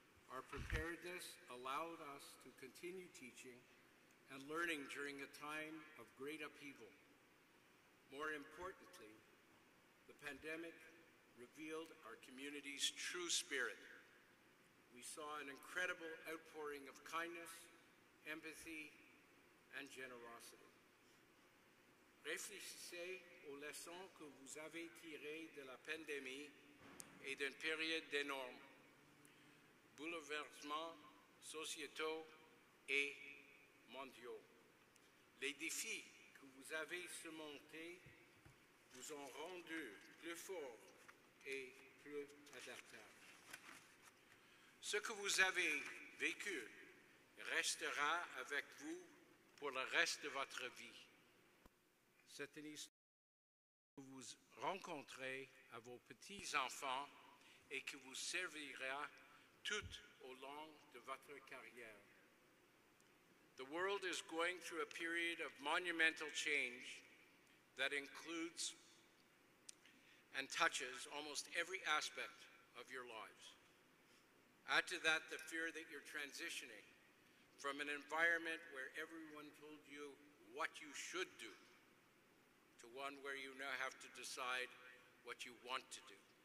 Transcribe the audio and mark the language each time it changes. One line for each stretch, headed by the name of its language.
English: Our preparedness allowed us to continue teaching and learning during a time of great upheaval. More importantly, the pandemic revealed our community's true spirit. We saw an incredible outpouring of kindness, empathy, and generosity.
French: Réfléchissez aux leçons que vous avez tirées de la pandémie et d'une période d'énormes bouleversements sociétaux et mondiaux. Les défis que vous avez surmontés vous ont rendu plus fort et plus adaptable. Ce que vous avez vécu restera avec vous pour le reste de votre vie. C'est une histoire que vous rencontrez à vos petits-enfants et qui vous servira tout au long de votre carrière.
English: The world is going through a period of monumental change that includes and touches almost every aspect of your lives. Add to that the fear that you're transitioning from an environment where everyone told you what you should do to one where you now have to decide what you want to do.